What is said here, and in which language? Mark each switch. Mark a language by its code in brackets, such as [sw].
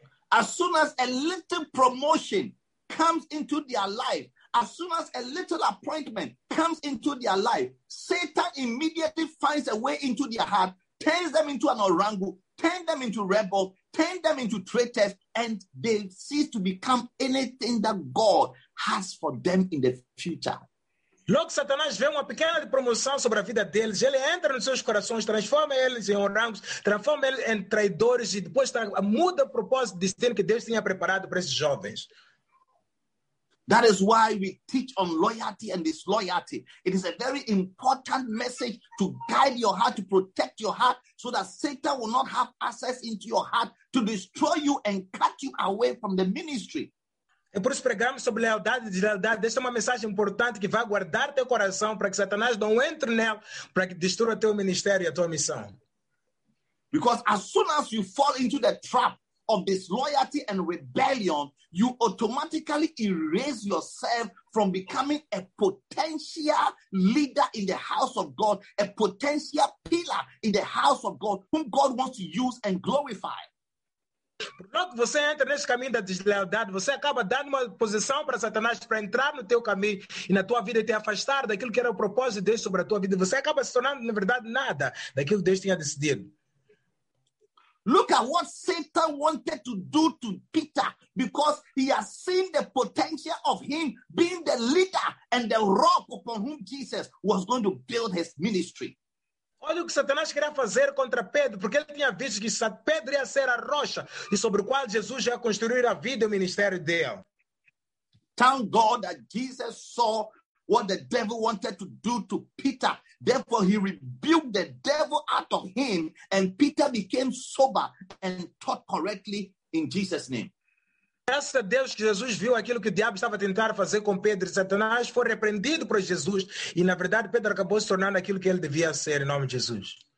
[en] As soon as a little promotion comes into their life, as soon as a little appointment comes into their life, Satan immediately finds a way into their heart, turns them into an orangu, turns them into rebels, turns them into traitors, and they cease to become anything that God has for them in the future. [pt] Logo, Satanás vê uma pequena promoção sobre a vida deles. Ele entra nos seus corações, transforma eles em orangos, transforma eles em traidores e depois muda o propósito de destino que Deus tinha preparado para esses jovens. [en] That is why we teach on loyalty and disloyalty. It is a very important message to guide your heart, to protect your heart, so that Satan will not have access into your heart to destroy you and cut you away from the ministry. [pt] É por isso que pregamos sobre lealdade e deslealdade. Esta é uma mensagem importante que vai guardar teu coração para que Satanás não entre nela, para que destrua teu ministério e a tua missão. [en] Because as soon as you fall into the trap of disloyalty and rebellion, you automatically erase yourself from becoming a potential leader in the house of God, a potential pillar in the house of God, whom God wants to use and glorify. [pt] Logo você entra nesse caminho da deslealdade, você acaba dando uma posição para Satanás para entrar no teu caminho e na tua vida e te afastar daquilo que era o propósito de Deus sobre a tua vida. Você acaba se tornando, na verdade, nada daquilo que Deus tinha decidido. [en] Look at what Satan wanted to do to Peter, because he has seen the potential of him being the leader and the rock upon whom Jesus was going to build his ministry. [pt] Olha o que Satanás queria fazer contra Pedro, porque ele tinha visto que Pedro ia ser a rocha e sobre o qual Jesus ia construir a vida e o ministério dele. [en] Thank God that Jesus saw what the devil wanted to do to Peter. Therefore, he rebuked the devil out of him, and Peter became sober and taught correctly in Jesus' name. [pt] Graças a Deus que Jesus viu aquilo que o diabo estava tentando fazer com Pedro. Satanás foi repreendido por Jesus e, na verdade, Pedro acabou se tornando aquilo que ele devia ser, em nome de Jesus.